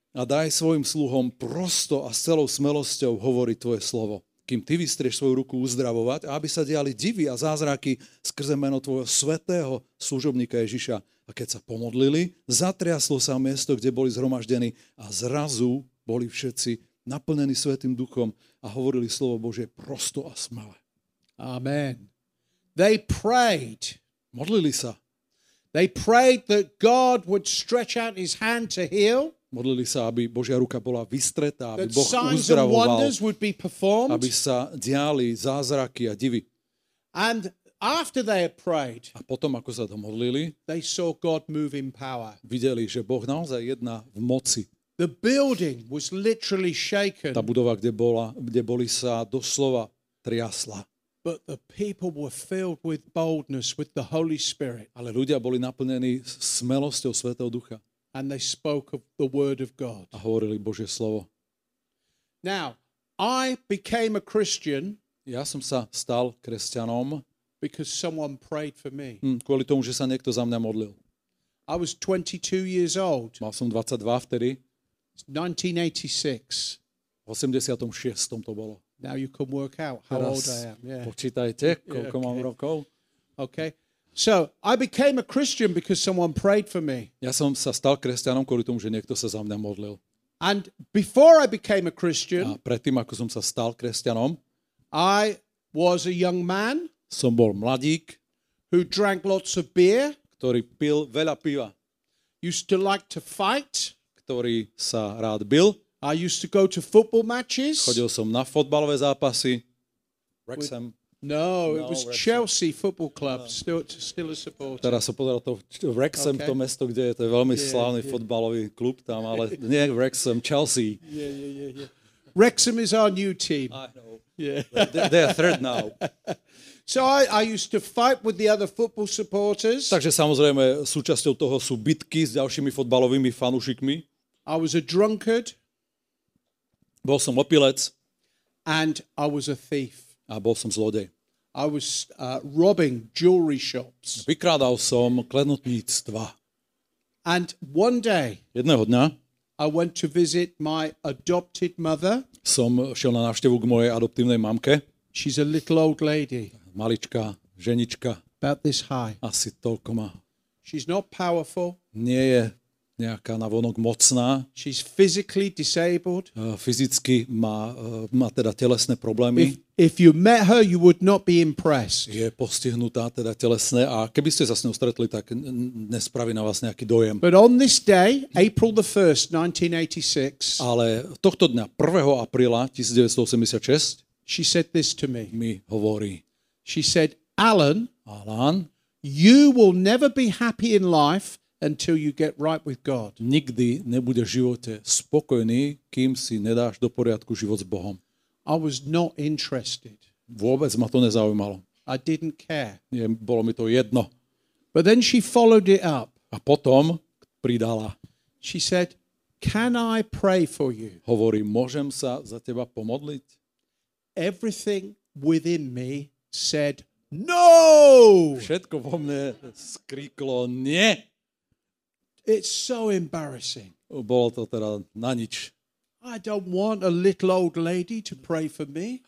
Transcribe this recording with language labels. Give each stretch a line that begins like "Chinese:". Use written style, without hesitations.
Slovak: A daj svojim sluhom prosto a s celou smelosťou hovoriť Tvoje slovo, kým Ty vystrieš svoju ruku uzdravovať a aby sa diali divy a zázraky skrze meno Tvojho svätého služobníka Ježiša. A keď sa pomodlili, zatriaslo sa miesto, kde boli zhromaždení a zrazu boli všetci naplnení Svätým Duchom a hovorili slovo Božie prosto a smele.
English: Amen. They prayed.
Slovak: Modlili sa.
English: They prayed that God would stretch out His hand to heal.
Slovak: Modlili sa, aby Božia ruka bola vystretá, aby Boh uzdravoval, aby sa diali zázraky a divy.
English: And after they had prayed,
Slovak: a potom, ako sa to modlili,
English: they saw God move in power.
Slovak: Videli, že Boh naozaj jedná v moci.
English: The building was literally shaken.
Slovak: Tá budova, kde boli, sa doslova triasla.
English: But the people were filled with boldness with the Holy Spirit.
Slovak: Ale ľudia boli naplnení smelosťou Svätého Ducha.
English: And they spoke of the word of God.
Slovak: A hovorili Božie slovo.
English: Now, I became a Christian.
Slovak: Ja som sa stal kresťanom.
English: Because someone prayed for me.
Slovak: Kvôli tomu, že sa niekto za mňa modlil.
English: I was 22 years old.
Slovak: Mal som 22 vtedy.
English: 1986.
Slovak: V 86. to bolo.
English: Now you can work out how
Slovak: Teraz
English: old I am. Yeah.
Slovak: Počítajte, koľko mám rokov.
English: Okay. So, I became a Christian because someone prayed for me.
Slovak: Ja som sa stal kresťanom kvôli tomu, že niekto sa za mňa modlil.
English: And before I became a Christian,
Slovak: a predtým, ako som sa stal kresťanom,
English: I was a young man,
Slovak: som bol mladík,
English: who drank lots of beer,
Slovak: ktorý pil veľa piva,
English: used to like to fight,
Slovak: ktorý sa rád bil,
English: I used to go to football matches.
Slovak: Chodil som na fotbalové zápasy. Wrexham.
English: No, it was Wrexham. Chelsea Football Club. Still a supporter.
Slovak: Teraz som pozeral to Wrexham, okay. To mesto, kde je to veľmi slávny fotbalový klub tam, ale nie Wrexham, Chelsea.
English: Yeah. Wrexham is our new team. I know. Yeah. They are third now. So I used to fight with the other football supporters.
Slovak: Takže samozrejme súčasťou toho sú bitky s ďalšími fotbalovými fanúšikmi.
English: I was a drunkard.
Slovak: Bol som opilec.
English: And I was a thief.
Slovak: A bol som zlodej.
English: I was robbing jewelry shops.
Slovak: Vykrádal som klenotníctva.
English: And one day.
Slovak: Jedného dňa.
English: I went to visit my adopted mother.
Slovak: Som šiel na návštevu k mojej adoptívnej mamke.
English: She's a little old lady.
Slovak: Maličká ženička.
English: About this high.
Slovak: Asi toľko má.
English: She's not powerful.
Slovak: Nie je nejaká navonok mocná.
English: She's physically disabled.
Slovak: Fyzicky má teda telesné problémy.
English: If you met her, you would not be impressed.
Slovak: Je postihnutá teda telesné a keby ste sa s ňou stretli, tak nespraví na vás nejaký dojem.
English: But on this day, April the 1st, 1986.
Slovak: Ale tohto dňa, 1. apríla 1986,
English: she said this to me.
Slovak: Mi hovorí.
English: She said, "Alan,
Slovak: Alan,
English: you will never be happy in life until you get right with God."
Slovak: Nikdy nebudeš v živote spokojný, kým si nedáš do poriadku život s Bohom.
English: I was not interested.
Slovak: Vôbec ma to nezaujímalo.
English: I didn't care.
Slovak: Nie, bolo mi to jedno.
English: But then she followed it up.
Slovak: A potom pridala.
English: She said, "Can I pray for you?"
Slovak: Hovorí, môžem sa za teba pomodliť?
English: Everything within me said no.
Slovak: Všetko vo mne skríklo nie.
English: It's so embarrassing.
Slovak: Bolo to teda na nič.
English: I don't want a little old lady to pray for me.